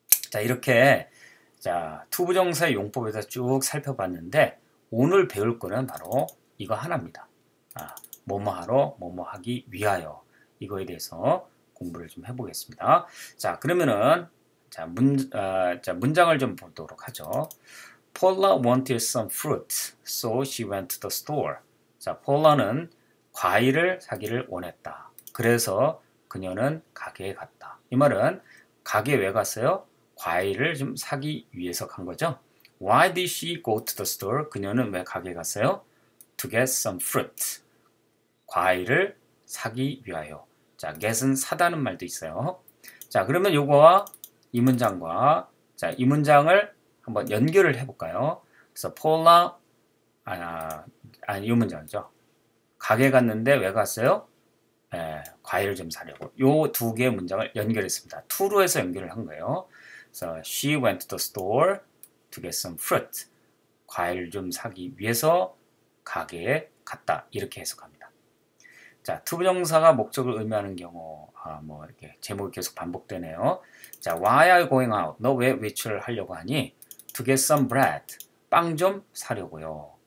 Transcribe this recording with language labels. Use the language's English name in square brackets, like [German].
[Korean] 자, 이렇게 자, 투부정사의 용법에서 쭉 살펴봤는데, 오늘 배울 거는 바로 이거 하나입니다. 아, 뭐뭐하러, 뭐뭐하기 위하여. 이거에 대해서 공부를 좀 해보겠습니다. 자, 그러면은, 자, 문장을 좀 보도록 하죠. [English] Paula wanted some fruit, so she went to the store. [Korean] 자, Paula는 과일을 사기를 원했다. 그래서 그녀는 가게에 갔다. 이 말은, 가게에 왜 갔어요? 과일을 좀 사기 위해서 간 거죠. [English] Why did she go to the store? [Korean] 그녀는 왜 가게에 갔어요? [English] To get some fruit. [Korean] 과일을 사기 위하여. 자, get은 사다는 말도 있어요. 자, 그러면 요거와 이 문장과, 자, 이 문장을 한번 연결을 해볼까요? 그래서 폴라, 이 문장이죠. 가게에 갔는데 왜 갔어요? 에, 과일을 좀 사려고. 요두 개의 문장을 연결했습니다. To로 해서 연결을 한 거예요. [English] So she went to the store to get some fruit. [Korean] 과일 좀 사기 위해서 가게에 갔다. 이렇게 해석합니다. 자, to 부정사가 목적을 의미하는 경우, 아, 뭐 이렇게 제목이 계속 반복되네요. [English] 자, why are you going out? [Korean] 너왜 외출을 하려고 하니? [English] To get some bread. [Korean] 빵좀 사려고요.